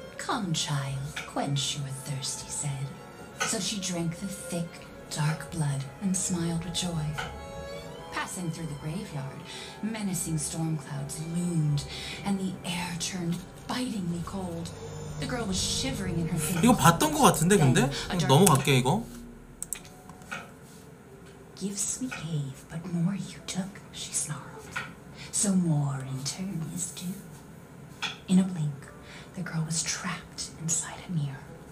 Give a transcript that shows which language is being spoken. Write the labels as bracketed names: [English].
[English] Come, child, quench your thirst, he said. So she drank the thick, dark blood and smiled with joy. Passing through the graveyard, menacing storm clouds loomed, and the air turned bitingly cold. The girl was shivering in her pain. [Korean] 이거 봤던 거 같은데 근데 넘어갈게 이거. [English] Gives me gave, but more you took, she snarled. So more in turn is due. In a blink, the girl was trapped inside a mirror.